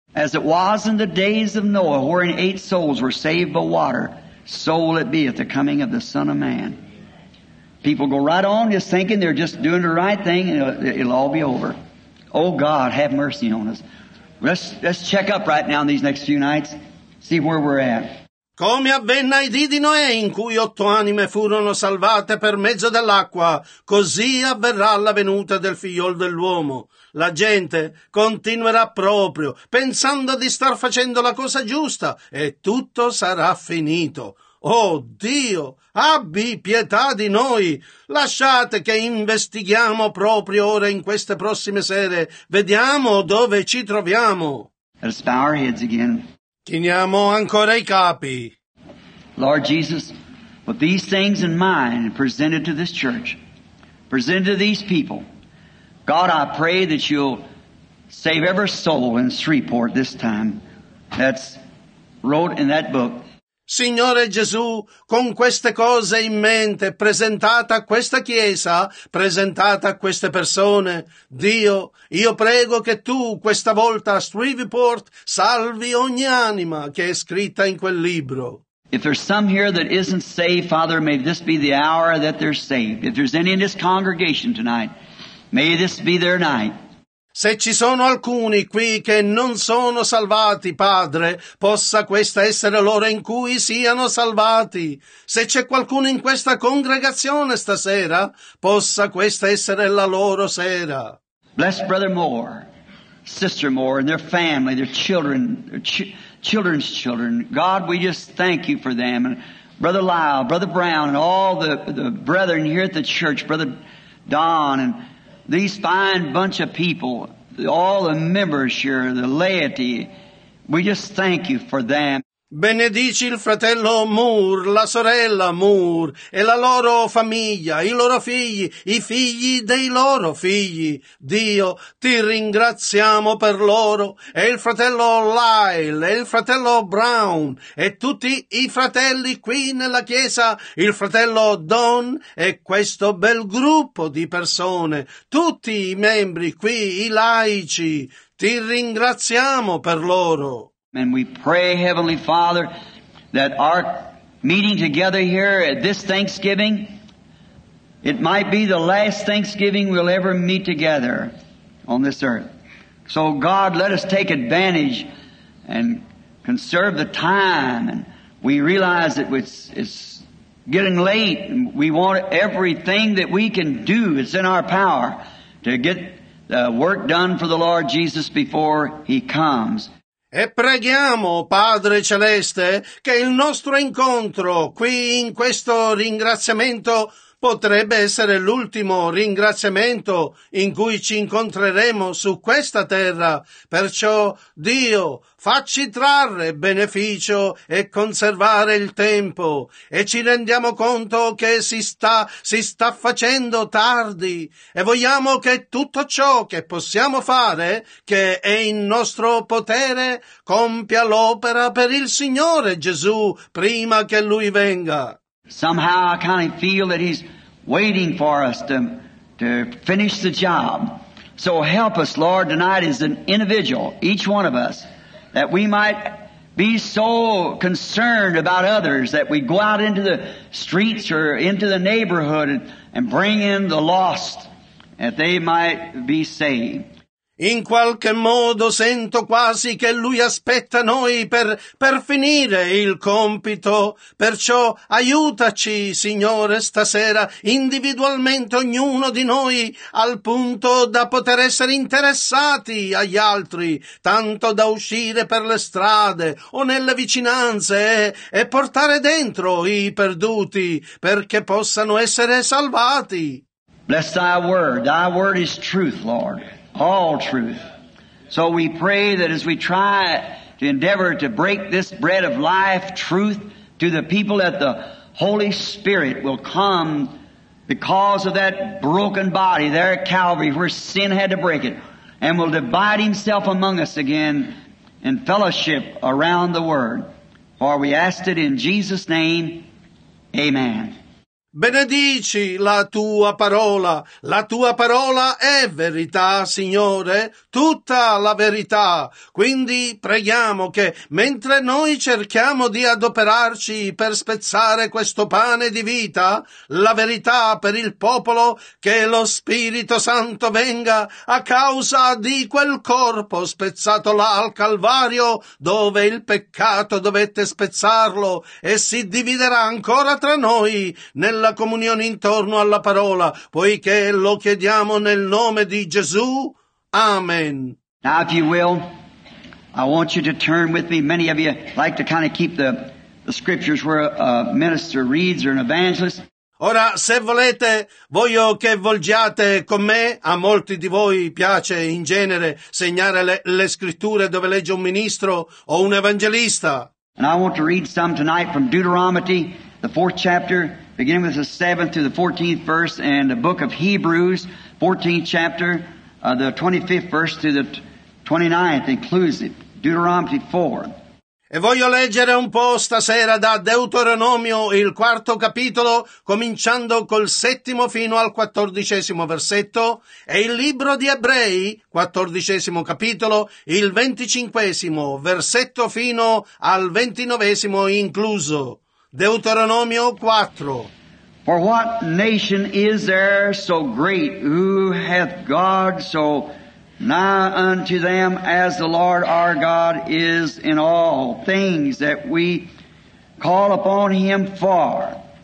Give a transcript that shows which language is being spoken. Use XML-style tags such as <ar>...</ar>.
<en>As it was in the days of Noah, wherein 8 souls were saved by water, so will it be at the coming of the Son of Man. People go right on just thinking they're just doing the right thing and it'll all be over. Oh God, have mercy on us. Let's check up right now in these next few nights. See where we're at.</en> <it>Come avvenne ai dì di Noè, in cui 8 anime furono salvate per mezzo dell'acqua, così avverrà la venuta del figliol dell'uomo. La gente continuerà proprio, pensando di star facendo la cosa giusta, e tutto sarà finito. Oh Dio, abbi pietà di noi! Lasciate che investighiamo proprio ora in queste prossime sere. Vediamo dove ci troviamo.</it> <en>Let's bow our heads again.</en> <it>Chiniamo ancora i capi.</it> <en>Lord Jesus, with these things in mind presented to this church, presented to these people, God, I pray that you'll save every soul in Shreveport this time that's wrote in that book.</en> <it>Signore Gesù, con queste cose in mente, presentata a questa chiesa, presentata a queste persone, Dio, io prego che tu, questa volta a Shreveport, salvi ogni anima che è scritta in quel libro.</it> <en>If there's some here that isn't saved, Father, may this be the hour that they're saved. If there's any in this congregation tonight, may this be their night.</en> <it>Se ci sono alcuni qui che non sono salvati, Padre, possa questa essere l'ora in cui siano salvati. Se c'è qualcuno in questa congregazione stasera, possa questa essere la loro sera.</it> <en>Bless Brother Moore, Sister Moore, and their family, their children, their children's children. God, we just thank you for them. And Brother Lyle, Brother Brown, and all the brethren here at the church, Brother Don, and these fine bunch of people, all the members here, the laity, we just thank you for them.</en> <it>Benedici il fratello Moore, la sorella Moore, e la loro famiglia, i loro figli, i figli dei loro figli. Dio, ti ringraziamo per loro, e il fratello Lyle, e il fratello Brown, e tutti i fratelli qui nella chiesa, il fratello Don, e questo bel gruppo di persone, tutti i membri qui, i laici, ti ringraziamo per loro.</it> <en>And we pray, Heavenly Father, that our meeting together here at this Thanksgiving, it might be the last Thanksgiving we'll ever meet together on this earth. So God, let us take advantage and conserve the time. And we realize that it's getting late. And we want everything that we can do. It's in our power to get the work done for the Lord Jesus before He comes.</en> <it>E preghiamo, Padre Celeste, che il nostro incontro qui in questo ringraziamento potrebbe essere l'ultimo ringraziamento in cui ci incontreremo su questa terra. Perciò, Dio, facci trarre beneficio e conservare il tempo. E ci rendiamo conto che si sta facendo tardi. E vogliamo che tutto ciò che possiamo fare, che è in nostro potere, compia l'opera per il Signore Gesù prima che Lui venga.</it> <en>Somehow I kind of feel that He's waiting for us to finish the job. So help us, Lord, tonight as an individual, each one of us, that we might be so concerned about others that we go out into the streets or into the neighborhood and bring in the lost, that they might be saved.</en> <it>In qualche modo sento quasi che Lui aspetta noi per finire il compito. Perciò aiutaci, Signore, stasera, individualmente ognuno di noi, al punto da poter essere interessati agli altri, tanto da uscire per le strade o nelle vicinanze e portare dentro i perduti perché possano essere salvati.</it> <en>Bless thy word is truth, Lord. All truth. So we pray that as we try to endeavor to break this bread of life, truth, to the people, that the Holy Spirit will come because of that broken body there at Calvary where sin had to break it, and will divide Himself among us again in fellowship around the Word. For we ask it in Jesus' name. Amen.</en> <it>Benedici la tua parola. La tua parola è verità, Signore, tutta la verità. Quindi preghiamo che mentre noi cerchiamo di adoperarci per spezzare questo pane di vita, la verità per il popolo, che lo Spirito Santo venga a causa di quel corpo spezzato là al Calvario, dove il peccato dovette spezzarlo e si dividerà ancora tra noi nel la comunione intorno alla parola, poiché lo chiediamo nel nome di Gesù. Amen.</it> <en>Now, if you will, I want you to turn with me. Many of you like to kind of keep the scriptures where a minister reads or an evangelist.</en> <it>Ora, se volete, voglio che volgiate con me. A molti di voi piace in genere segnare le scritture dove legge un ministro o un evangelista.</it> <en>And I want to read some tonight from Deuteronomy, the 4th chapter, beginning with the 7th to the 14th verse, and the book of Hebrews, 14th chapter, the 25th verse to the 29th inclusive, Deuteronomy 4.</en> <it>E voglio leggere un po' stasera da Deuteronomio, il 4° capitolo, cominciando col 7° fino al 14° versetto, e il libro di Ebrei, 14° capitolo, il 25° versetto fino al 29° incluso. Deuteronomio 4.</it> <en>For what nation is there so great, who hath God so nigh unto them as the Lord our God is in all things that we call upon him for?</en>